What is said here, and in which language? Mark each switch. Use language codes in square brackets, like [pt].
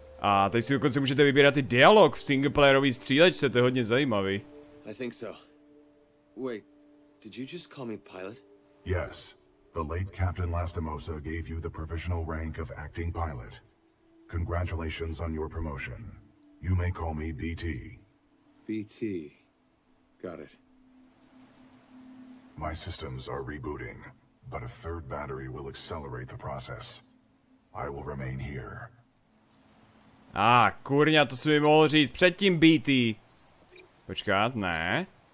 [cs] A teď si dokonce můžete vybírat i dialog v singleplayerový střílečce, to je hodně zajímavý. [en] I think so. Wait, did you just call me pilot? Yes. The late Captain Lastimosa gave you the provisional rank of acting pilot. Congratulations on your promotion. You may call me BT. BT. Got it. My systems are rebooting. But a third battery will accelerate the process. I will remain here. [cs] Ah, kurňa, to jsi mi mohl říct předtím, BT. Počkat, ne.